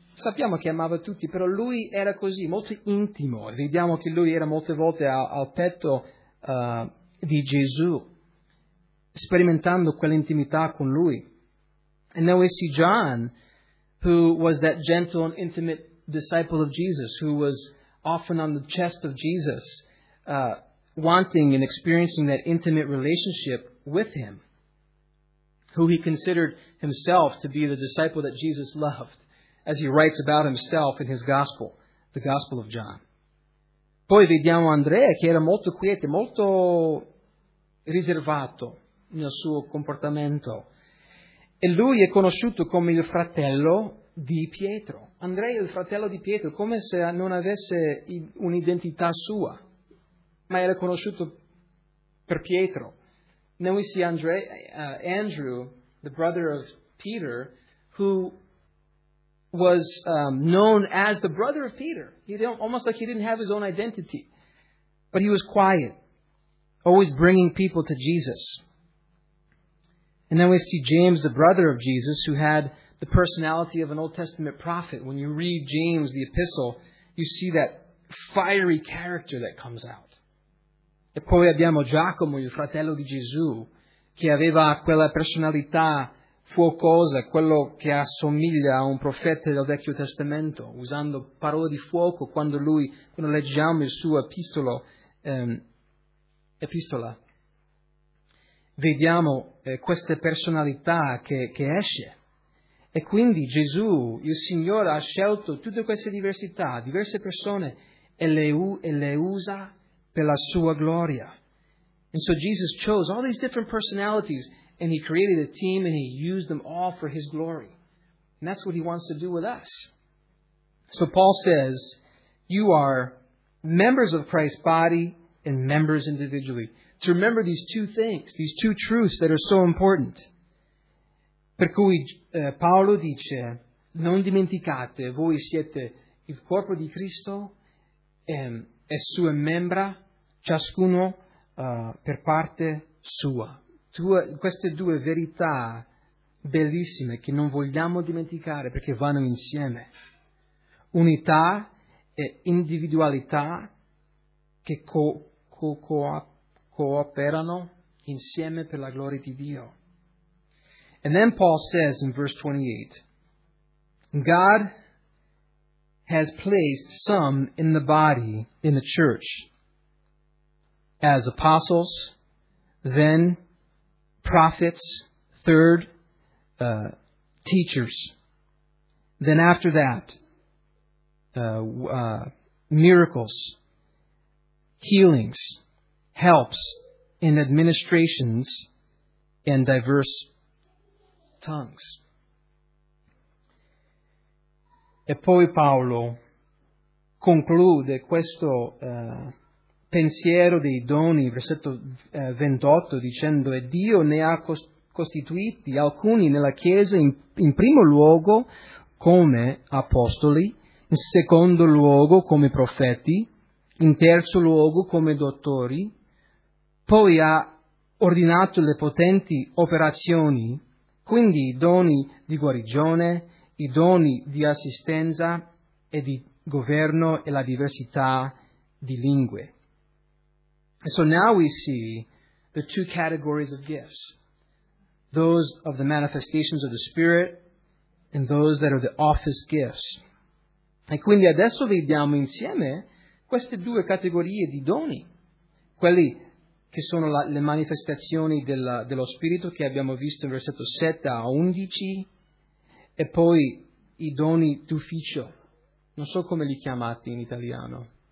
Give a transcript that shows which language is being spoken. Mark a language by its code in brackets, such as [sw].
[it] Sappiamo che amava tutti, però lui era così, molto intimo. Vediamo che lui era molte volte al petto di Gesù. sperimentando quell'intimità con Lui. [en] And then we see John, who was that gentle and intimate disciple of Jesus, who was often on the chest of Jesus, wanting and experiencing that intimate relationship with Him, who he considered himself to be the disciple that Jesus loved, as he writes about himself in his gospel, the Gospel of John. [it] Poi vediamo Andrea, che era molto quieto, molto riservato nel suo comportamento. E lui è conosciuto come il fratello di Pietro. Andrea è il fratello di Pietro, come se non avesse un'identità sua, ma era conosciuto per Pietro. [en] Then we see Andrew, the brother of Peter, who was known as the brother of Peter. He didn't, almost like he didn't have his own identity. But he was quiet, always bringing people to Jesus. And then we see James, the brother of Jesus, who had the personality of an Old Testament prophet. When you read James, the epistle, you see that fiery character that comes out. [it] E poi abbiamo Giacomo, il fratello di Gesù, che aveva quella personalità fuocosa, quello che assomiglia a un profeta del Vecchio Testamento, usando parole di fuoco quando leggiamo il suo epistola. Vediamo queste personalità che esce. E quindi Gesù, il Signore, ha scelto tutte queste diversità, diverse persone, e le usa per la sua gloria. [en] And so Jesus chose all these different personalities and he created a team and he used them all for his glory. And that's what he wants to do with us. So Paul says, you are members of Christ's body and members individually. To remember these two things, these two truths that are so important. [it] Per cui Paolo dice, non dimenticate, voi siete il corpo di Cristo e sue membra, ciascuno per parte sua. Queste due verità bellissime che non vogliamo dimenticare perché vanno insieme. Unità e individualità che cooperano insieme per la gloria di Dio. [en] And then Paul says in verse 28, God has placed some in the body, in the church, as apostles, then prophets, third, teachers. Then after that, miracles, healings, helps, and administrations, and diverse tongues. [it] E poi Paolo conclude questo pensiero dei doni, versetto 28, dicendo, e Dio ne ha costituiti alcuni nella Chiesa in primo luogo come apostoli, in secondo luogo come profeti, in terzo luogo come dottori, poi ha ordinato le potenti operazioni, quindi i doni di guarigione, i doni di assistenza e di governo e la diversità di lingue. [en] And so now we see the two categories of gifts, those of the manifestations of the Spirit and those that are the office gifts. [it] E quindi adesso vediamo insieme queste due categorie di doni, quelli che sono le manifestazioni dello Spirito che abbiamo visto in versetto 7 a 11 e poi i doni d'ufficio, non so come li chiamate in italiano.